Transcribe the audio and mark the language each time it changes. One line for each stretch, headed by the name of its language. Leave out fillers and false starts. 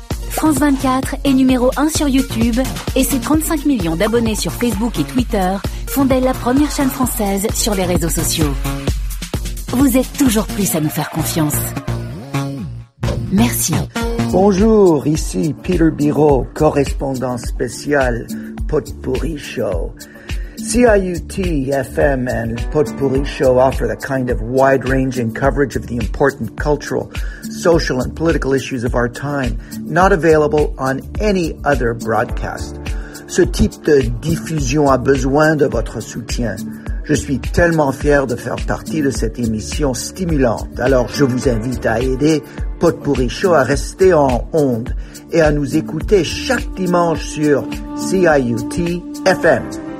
French: France 24 est numéro 1 sur YouTube et ses 35 millions d'abonnés sur Facebook et Twitter font d'elle la première chaîne française sur les réseaux sociaux. Vous êtes toujours plus à nous faire confiance. Merci. Bonjour, ici Peter Biraud, correspondant spécial Potpourri Show.
English: CIUT FM and Potpourri Show offer the kind of wide-ranging coverage of the important cultural, social, and political issues of our time, not available on any other broadcast.
French: Ce type de diffusion a besoin de votre soutien. Je suis tellement fier de faire partie de cette émission stimulante, alors je vous invite à aider Potpourri Show à rester en onde et à nous écouter chaque dimanche sur CIUT FM.